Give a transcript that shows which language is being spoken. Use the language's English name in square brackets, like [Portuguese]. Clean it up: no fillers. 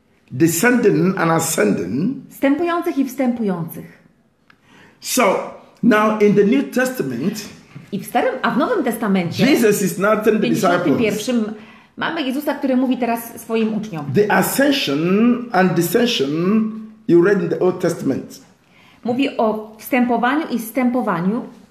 [English] Descending and ascending. [Polish] Stępujących i wstępujących. [English] So, now in the New Testament. [Polish] I w Starym, a w Nowym Testamencie. [English] Jesus is not telling the disciples. [Polish] Mamy Jezusa, który mówi teraz swoim uczniom. [English] The ascension and descension you read in the Old Testament. [Polish] Mówi o wstępowaniu i zstępowaniu.